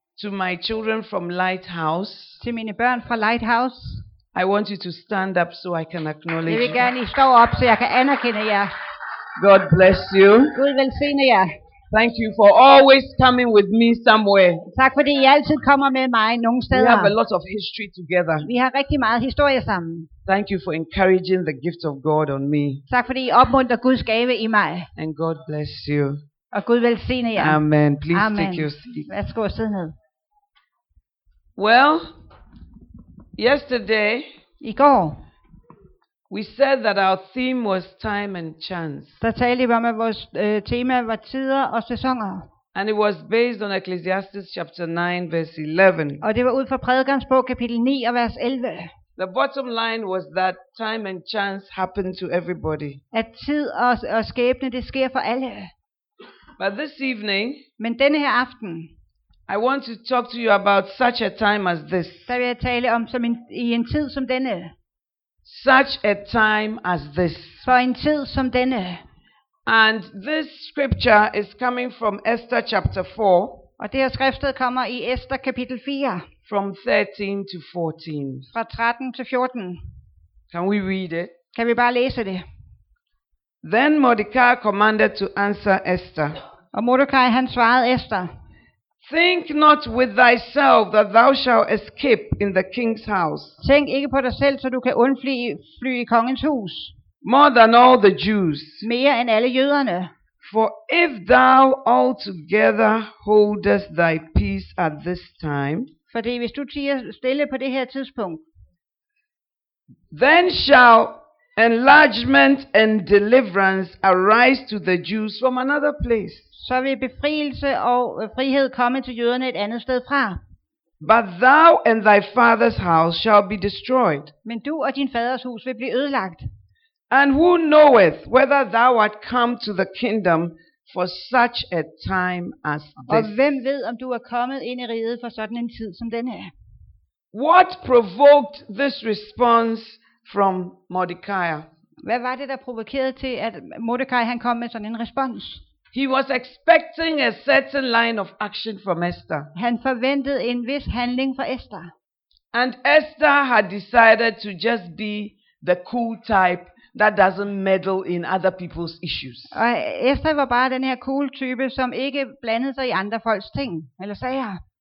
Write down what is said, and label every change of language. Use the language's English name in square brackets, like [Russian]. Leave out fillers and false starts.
[English] To my children from Lighthouse. [Danish] Til mine børn fra Lighthouse. [English] I want you to stand up so I can acknowledge you. [Danish] Jeg vil gerne, I stå op, så jeg kan anerkende jer. [English] God bless you. [Danish] Gud velsigne jer. [English] Thank you for always coming with me somewhere. [Danish] Tak fordi I altid kommer med mig nogle steder. [English] We have a lot of history together. [Danish] Vi har rigtig meget historie sammen. [English] Thank you for encouraging the gift of God on me. [Danish] Tak fordi I opmunter Guds gave i mig. [English] And God bless you. [Danish] Og Gud velsigne jer. [English] Amen. Please Amen. Take your seat. [Danish] Værsgo at sidde ned. [English] Well, yesterday, [Danish] I går, [English] we said that our theme was time and chance. [Danish] Der talte vi om, at vores tema var tider og sæsoner. [English] And it was based on Ecclesiastes chapter 9, verse 11. [Danish] Og det var ud fra Prædikerens bog, kapitel 9 og vers 11. [English] The bottom line was that time and chance happen to everybody. [Danish] At tid og skæbne, det sker for alle. [English] But this evening, [Danish] men denne her aften, [English] I want to talk to you about such a time as this. [Danish] Der vil jeg tale om som i en tid som denne. [English] Such a time as this. [Danish] For en tid som denne. [English] And this scripture is coming from Esther chapter 4. [Danish] Og det her skriftsted kommer i Esther kapitel 4. [English] From 13 to 14. [Danish] Fra 13 til 14. [English] Can we read it? [Danish] Kan vi bare læse det? [English] Then Mordecai commanded to answer Esther. [Danish] Og Mordecai han svarede Esther. [English] Think not with thyself that thou shalt escape in the king's house. [Danish] Tænk ikke på dig selv, så du kan undfly i kongens hus. [English] More than all the Jews. [Danish] Mere end alle jøderne. [English] For if thou altogether holdest thy peace at this time. [Danish] Fordi hvis du tier stille på det her tidspunkt. [English] Then shall enlargement and deliverance arise to the Jews from another place. [Danish] Så vil befrielse og frihed komme til jøderne et andet sted fra. [English] But thou and thy father's house shall be destroyed. [Danish] Men du og din faders hus vil blive ødelagt. [English] And who knoweth whether thou art come to the kingdom for such a time as this? [Danish] Og hvem ved om du er kommet ind i riget for sådan en tid som denne? [English] What provoked this response from Mordecai? [Danish] Hvad var det der provokerede til at Mordecai han kom med sådan en respons? [English] He was expecting a certain line of action from Esther. [Danish] Han forventede en vis handling fra Esther. [English] And Esther had decided to just be the cool type that doesn't meddle in other people's issues. [Danish] Og Esther var bare den her cool type, som ikke blandede sig i andre folks ting eller sager.